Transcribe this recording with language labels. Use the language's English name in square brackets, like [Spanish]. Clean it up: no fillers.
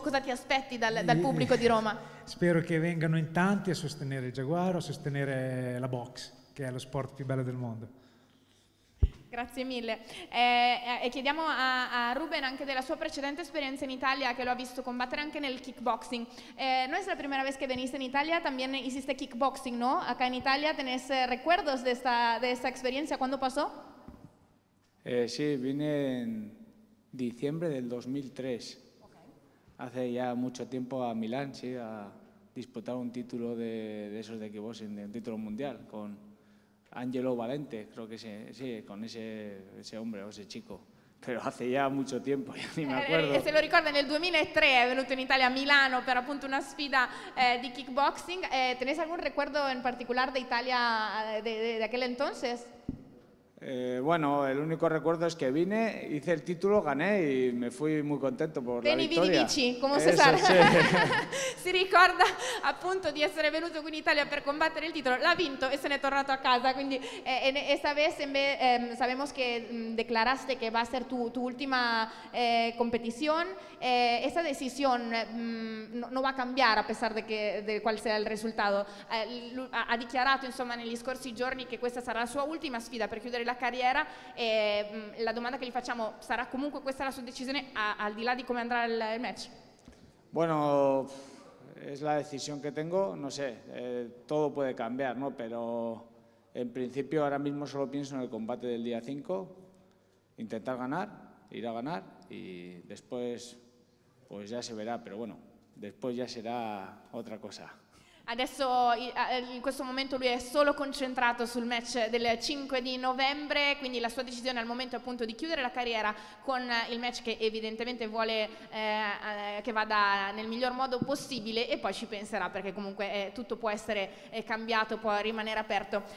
[Italian] Cosa ti aspetti dal pubblico di Roma? Spero che vengano in tanti a sostenere il Jaguaro, a sostenere la box, che è lo sport più bello del mondo. Grazie mille. E chiediamo a Ruben anche della sua precedente esperienza in Italia, che lo ha visto combattere anche nel kickboxing. [Spanish] No es la primera vez que veniste en Italia, también hiciste kickboxing, ¿no? Acá en Italia, ¿tenés recuerdos de esta experiencia? ¿Cuándo pasó? Sí, vine en diciembre del 2003, hace ya mucho tiempo, a Milán, sí, a disputar un título de esos de kickboxing, un título mundial, con Angelo Valente, creo que sí, con ese hombre o ese chico, pero hace ya mucho tiempo, ya ni me acuerdo. [Italian] Se lo ricorda, nel 2003 è venuto in Italia, a Milano, per appunto una sfida di kickboxing. [Spanish] ¿Tenés algún recuerdo en particular de Italia de aquel entonces? Bueno, el único recuerdo es que vine, hice el título, gané y me fui muy contento por la victoria. [Latin] Veni, vidi, vici, [Italian] come si sa. Sì. Si ricorda appunto di essere venuto qui in Italia per combattere il titolo, l'ha vinto e se n'è tornato a casa. [Spanish] Quindi esta vez sabemos que declaraste que va a ser tu última competición. Esta decisión no va a cambiar a pesar de cual sea el resultado. [Italian] Ha dichiarato, insomma, negli scorsi giorni che questa sarà la sua ultima sfida per chiudere la carriera. La domanda che gli facciamo: sarà comunque questa la sua decisione al di là di come andrà il match? [Spanish] Bueno, es la decisión que tengo, no sé, todo puede cambiar, ¿no? Pero en principio ahora mismo solo pienso en el combate del día 5, intentar ganar, ir a ganar y después pues ya se verá, pero bueno, después ya será otra cosa. [Italian] Adesso, in questo momento, lui è solo concentrato sul match del 5 di novembre, quindi la sua decisione al momento è appunto di chiudere la carriera con il match che evidentemente vuole che vada nel miglior modo possibile, e poi ci penserà, perché comunque tutto può essere cambiato, può rimanere aperto.